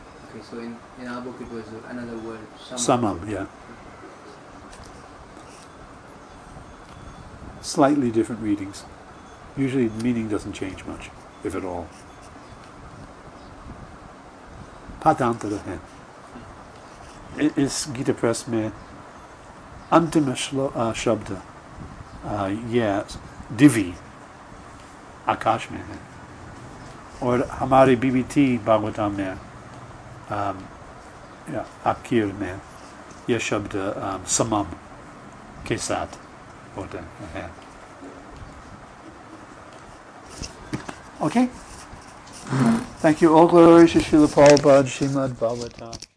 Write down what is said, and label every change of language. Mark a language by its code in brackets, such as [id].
[en] Okay, so in our book it was another word, Samam. Yeah. Slightly different readings. Usually the meaning doesn't change much, if at all. [hi] Padantara hai. इस Gita press में अंतिम शब्द. Divi. आकाश में है. ओर हमारी BBT Bhagavatam में आकिर में ये शब्द समम के साथ होता है. [en] Okay. Thank you. All glories to Srila Prabhupada, Srimad Bhagavatam.